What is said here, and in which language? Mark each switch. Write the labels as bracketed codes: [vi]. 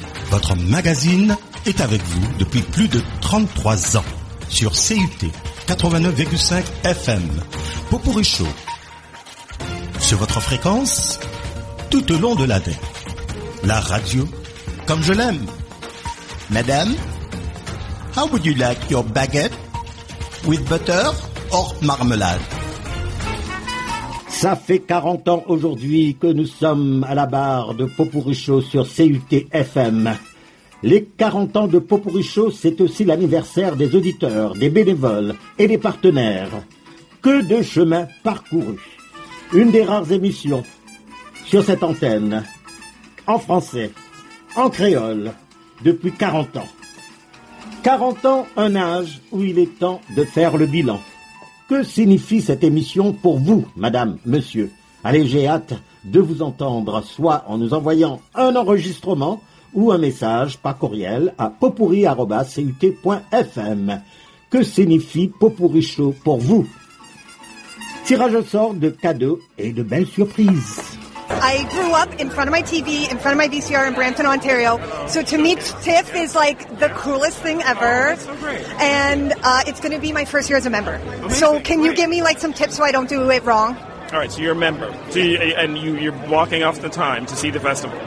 [fr] Votre magazine est avec vous depuis plus de 33 ans. Sur CUT 89,5 FM, Popori Show, sur votre fréquence, tout au long de l'année, la radio, comme je l'aime. [en] Madame, how would you like your baguette, with butter or marmalade? [fr] Ça fait 40 ans aujourd'hui que nous sommes à la barre de Popori Show sur CUT FM. Les 40 ans de Pot-Pourri Show, c'est aussi l'anniversaire des auditeurs, des bénévoles et des partenaires. Que de chemin parcouru. Une des rares émissions sur cette antenne, en français, en créole, depuis 40 ans. 40 ans, un âge où il est temps de faire le bilan. Que signifie cette émission pour vous, madame, monsieur ? Allez, j'ai hâte de vous entendre, soit en nous envoyant un enregistrement ou un message par courriel à potpourri@cut.fm. Que signifie Pot-Pourri Show pour vous ? Tirage au sort de cadeaux et de belles surprises. [en] I grew up in front of my TV, in front of my VCR in Brampton, Ontario. So to meet Tiff is like the coolest thing ever. Oh, that's so great. And it's going to be my first year as a member. Amazing. So can you give me like some tips so I don't do it wrong? All right, so you're a member. So you're walking off the time to see the festival.